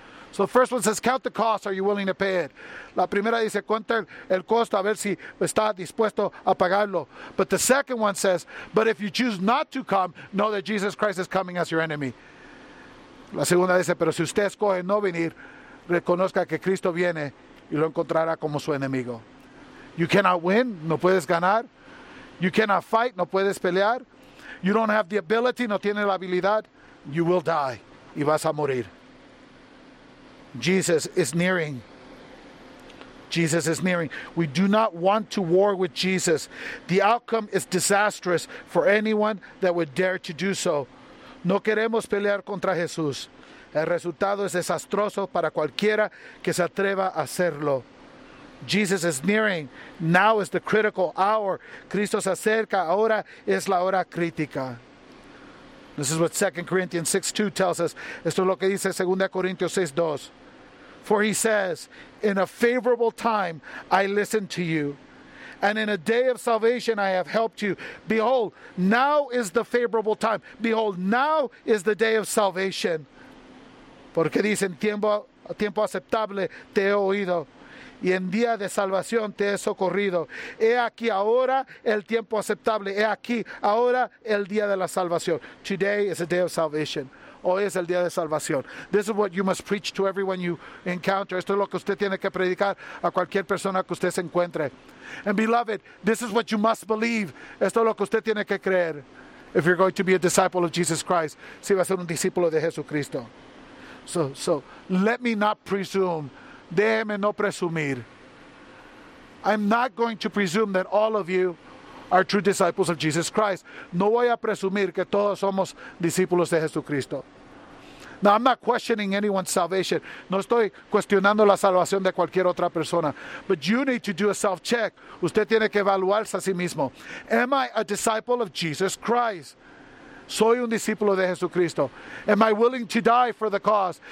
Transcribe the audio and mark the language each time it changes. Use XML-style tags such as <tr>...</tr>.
<en>So the first one says, count the cost, are you willing to pay it?</en> <es>La primera dice, cuenta el costo, a ver si está dispuesto a pagarlo.</es> <en>But the second one says, but if you choose not to come, know that Jesus Christ is coming as your enemy.</en> <es>La segunda dice, pero si usted escoge no venir, reconozca que Cristo viene y lo encontrará como su enemigo.</es> <en>You cannot win,</en> <es>no puedes ganar.</es> <en>You cannot fight,</en> <es>no puedes pelear.</es> <en>You don't have the ability,</en> <es>no tiene la habilidad.</es> <en>You will die,</en> <es>y vas a morir.</es> <en>Jesus is nearing. Jesus is nearing. We do not want to war with Jesus. The outcome is disastrous for anyone that would dare to do so.</en> <es>No queremos pelear contra Jesús. El resultado es desastroso para cualquiera que se atreva a hacerlo.</es> <en>Jesus is nearing. Now is the critical hour.</en> <es>Cristo se acerca. Ahora es la hora crítica.</es> <en>This is what 2 Corinthians 6:2 tells us.</en> <es>Esto es lo que dice 2 Corintios 6:2.</es> <en>For he says, in a favorable time I listened to you, and in a day of salvation I have helped you. Behold, now is the favorable time. Behold, now is the day of salvation.</en> <es>Porque dice, en tiempo aceptable te he oído, y en día de salvación te he socorrido. He aquí ahora el tiempo aceptable. He aquí ahora el día de la salvación.</es> <en>Today is the day of salvation.</en> <es>Hoy es el día de salvación.</es> <en>This is what you must preach to everyone you encounter.</en> <es>Esto es lo que usted tiene que predicar a cualquier persona que usted se encuentre.</es> <en>And beloved, this is what you must believe.</en> <es>Esto es lo que usted tiene que creer.</es> <en>If you're going to be a disciple of Jesus Christ,</en> <es>si va a ser un discípulo de Jesucristo.</es> <en>So let me not presume.</en> <es>Déjeme no presumir.</es> <en>I'm not going to presume that all of you are true disciples of Jesus Christ.</en> <es>No voy a presumir que todos somos discípulos de Jesucristo.</es> <en>Now, I'm not questioning anyone's salvation.</en> <es>No estoy cuestionando la salvación de cualquier otra persona.</es> <en>But you need to do a self-check.</en> <es>Usted tiene que evaluarse a sí mismo.</es> <en>Am I a disciple of Jesus Christ?</en> <es>Soy un discípulo de Jesucristo.</es> <en>Am I willing to die for the cause?</en>